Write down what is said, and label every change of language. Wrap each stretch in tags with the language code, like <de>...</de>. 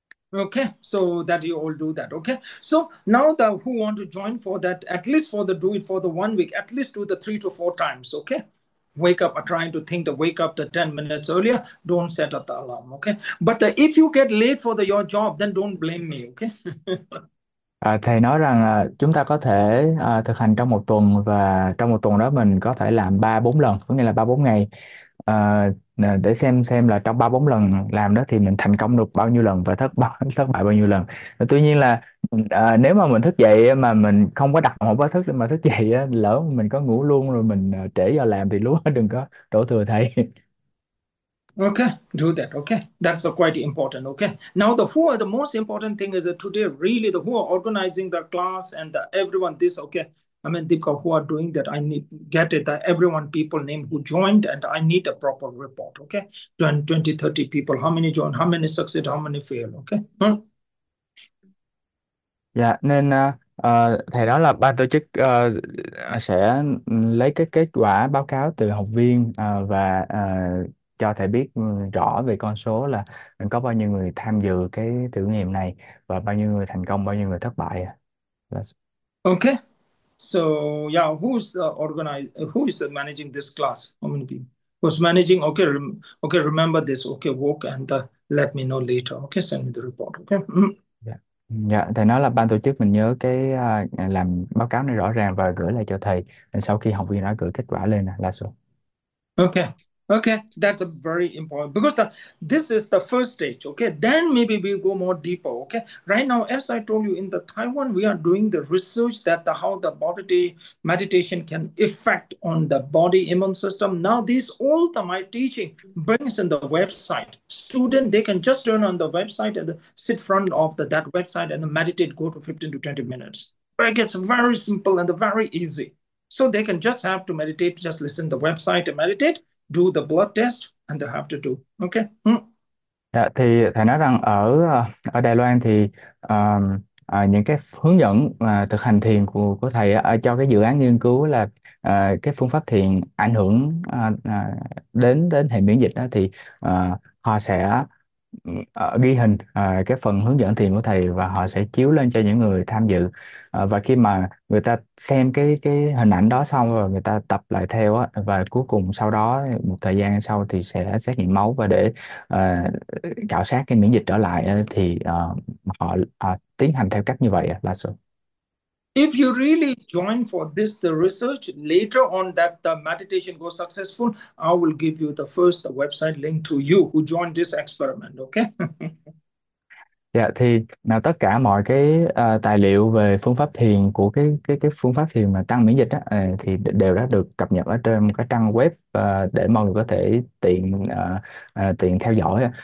<en>Okay, so that you all do that. Okay, so now the who want to join for that, at least for the do it for the 1 week, at least do the 3 to 4 times. Okay, wake up, are trying to think to wake up the 10 minutes earlier, don't set up the alarm. Okay, but if you get late for the your job, then don't blame me. Okay.</en> <vi>À, thầy nói rằng chúng ta có thể thực hành trong một tuần và trong một tuần đó mình có thể làm 3-4 lần, có nghĩa là 3-4 ngày để xem là trong 3-4 lần làm đó thì mình thành công được bao nhiêu lần và thất bại bao nhiêu lần. Tuy nhiên là nếu mà mình thức dậy mà mình không có đặt một báo thức mà thức dậy, lỡ mình có ngủ luôn rồi mình trễ giờ làm thì lúa đừng có đổ thừa thầy.</vi> <en>Okay, do that. Okay, that's quite important. Okay, now the who are the most important thing is that today really the who are organizing the class and the everyone this okay. I mean, Deepak, who are doing that? I need get it that everyone people name who joined and I need a proper report. Okay, join 20, 30 people. How many joined? How many succeed? How many fail? Okay.</en> <vi>Dạ, nên thầy đó là ban tổ chức sẽ lấy cái kết quả báo cáo từ học viên và cho thầy biết rõ về con số là có bao nhiêu người tham dự cái thử nghiệm này và bao nhiêu người thành công, bao nhiêu người thất bại.</vi> <en>Okay, so yeah, who's the organize? Who is the managing this class? How many people? Who's managing? Okay, okay. Remember this. Okay, work and let me know later. Okay, send me the report. Okay.</en> <vi>Dạ, thầy nói là ban tổ chức mình nhớ cái làm báo cáo này rõ ràng và gửi lại cho thầy sau khi học viên đã gửi kết quả lên là số.</vi> <en>Okay. Okay, that's a very important because this is the first stage. Okay, then maybe we go more deeper. Okay, right now, as I told you, in the Taiwan, we are doing the research that how the body meditation can affect on the body immune system. Now, this all the my teaching brings in the website. Student, they can just turn on the website and sit front of that website and meditate, go to 15 to 20 minutes. It gets very simple and very easy. So they can just have to meditate, just listen the website and meditate. Do the blood test and they have to do. Okay.</en> <vi>Dạ, thì thầy nói rằng ở ở Đài Loan thì những cái hướng dẫn thực hành thiền của thầy cho cái dự án nghiên cứu là cái phương pháp thiền ảnh hưởng đến đến hệ miễn dịch đó, thì họ sẽ ghi hình cái phần hướng dẫn thiền của thầy và họ sẽ chiếu lên cho những người tham dự, và khi mà người ta xem cái hình ảnh đó xong rồi người ta tập lại theo á, và cuối cùng sau đó một thời gian sau thì sẽ xét nghiệm máu và để khảo sát cái miễn dịch trở lại á, thì họ tiến hành theo cách như vậy á, là sao?</vi> <en>If you really join for this, the research later on that the meditation goes successful, I will give you the first website link to you who joined this experiment. Okay.</en> <vi>Dạ, thì là tất cả mọi cái tài liệu về phương pháp thiền của cái phương pháp thiền mà tăng miễn dịch đó, thì đều đã được cập nhật ở trên một cái trang web để mọi người có thể tiện tiện theo dõi.</vi>